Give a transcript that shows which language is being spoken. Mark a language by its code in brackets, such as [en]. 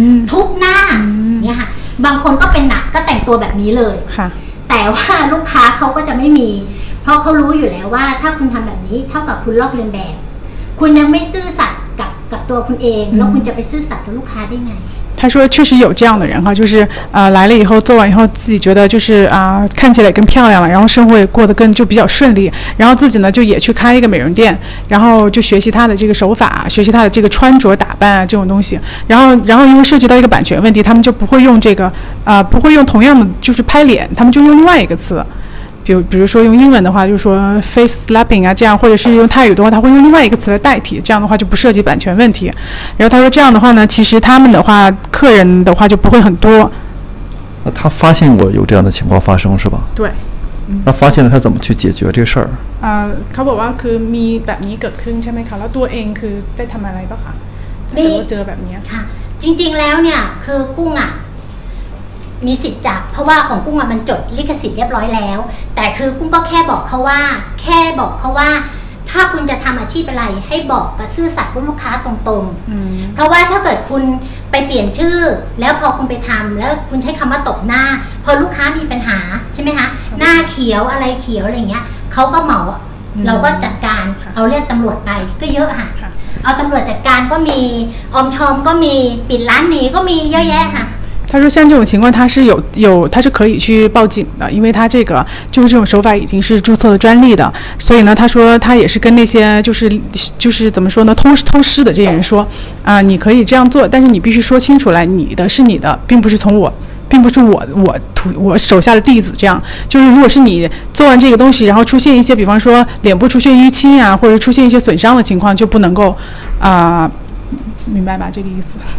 [th] ทุบหน้าเนี่ยค่ะบางคนก็เป็นหนักก็แต่งตัวแบบนี้เลยแต่ว่าลูกค้าเขาก็จะไม่มีเพราะเขารู้อยู่แล้วว่าถ้าคุณทำแบบนี้เท่ากับคุณลอกเลียนแบบคุณยังไม่ซื่อสัตย์กับตัวคุณเองแล้วคุณจะไปซื่อสัตย์กับลูกค้าได้ไง [zh] 他说确实有这样的人哈就是来了以后做完以后自己觉得就是看起来更漂亮了然后生活也过得更就比较顺利然后自己呢就也去开一个美容店然后就学习他的这个手法学习他的这个穿着打扮啊这种东西然后因为涉及到一个版权问题他们就不会用这个不会用同样的就是拍脸他们就用另外一个词比如说用英文的话就是说 face slapping 啊这样或者是用泰语的话他会用另外一个词来代替这样的话就不涉及版权问题然后他说这样的话呢其实他们的话客人的话就不会很多那他发现过有这样的情况发生是吧对那发现了他怎么去解决这事儿 [th] เขาบอกว่าคือมีแบบนี้เกิดขึ้นใช่ไหมคะแล้วตัวเองคือได้ทำอะไรบ้างคะ มี เจอแบบนี้ค่ะจริงๆแล้วเนี่ยคือกุ้งอ่ะมีสิทธิ์จับเพราะว่าของกุ้งมันจดลิขสิทธิ์เรียบร้อยแล้วแต่คือกุ้งก็แค่บอกเขาว่าถ้าคุณจะทำอาชีพอะไรให้บอกกับซื่อสัตย์กับลูกค้าตรงๆเพราะว่าถ้าเกิดคุณไปเปลี่ยนชื่อแล้วพอคุณไปทำแล้วคุณใช้คำว่าตบหน้าพอลูกค้ามีปัญหาใช่ไหมคะหน้าเขียวอะไรเขียวอะไรเงี้ยเขาก็เหมาเราก็จัดการเอาเรียกตำรวจไปก็เยอะค่ะเอาตำรวจจัดการก็มีอมชอมก็มีปิดร้านหนีก็มีเยอะแยะค่ะ [zh] 他说像这种情况他是有他是可以去报警的因为他这个就是这种手法已经是注册了专利的所以呢他说他也是跟那些就是怎么说呢偷师的这些人说你可以这样做但是你必须说清楚来你的是你的并不是我手下的弟子这样就是如果是你做完这个东西然后出现一些比方说脸部出现淤青啊或者出现一些损伤的情况就不能够明白吧这个意思